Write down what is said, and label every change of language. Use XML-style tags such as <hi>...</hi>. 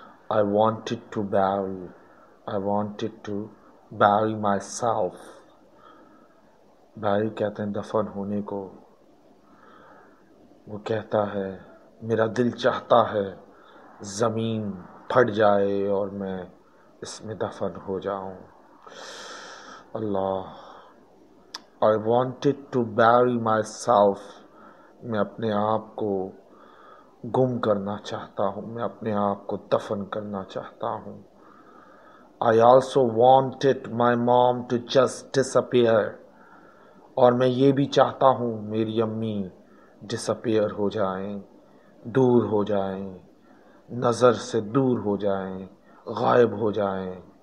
<en>I wanted to bow. I wanted to bury myself.</en> <ur>Bury کہتے ہیں دفن ہونے کو. وہ کہتا ہے میرا دل چاہتا ہے زمین پھٹ جائے اور میں اس میں دفن ہو جاؤں.</ur> <en>Allah, I wanted to bury myself.</en> <ur>میں اپنے آپ کو گم کرنا چاہتا ہوں, میں اپنے آپ کو دفن کرنا چاہتا ہوں.</ur> <en>I also wanted my mom to just disappear.</en> <ur>اور میں یہ بھی چاہتا ہوں میری امی ڈسپیئر ہو جائیں, دور ہو جائیں, نظر سے دور ہو جائیں, غائب ہو جائیں.</ur>